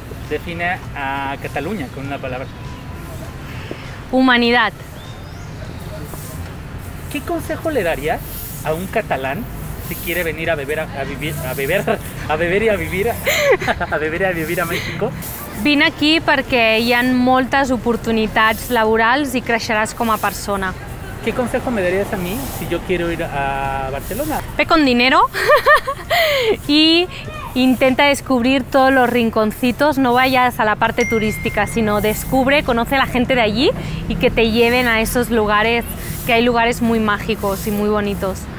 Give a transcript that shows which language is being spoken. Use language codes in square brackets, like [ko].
[es] Define a Cataluña con una palabra. Humanidad. ¿Qué consejo le darías a un catalán si quiere venir a beber, a beber y a vivir a México? [ca] Vin aquí perquè hi ha moltes oportunitats laborals i creixeràs com a persona. [es] ¿Qué consejo me darías a mí si yo quiero ir a Barcelona? Ve con dinero y intenta descubrir todos los rinconcitos. No vayas a la parte turística, sino descubre, conoce a la gente de allí y que te lleven a esos lugares, que hay lugares muy mágicos y muy bonitos.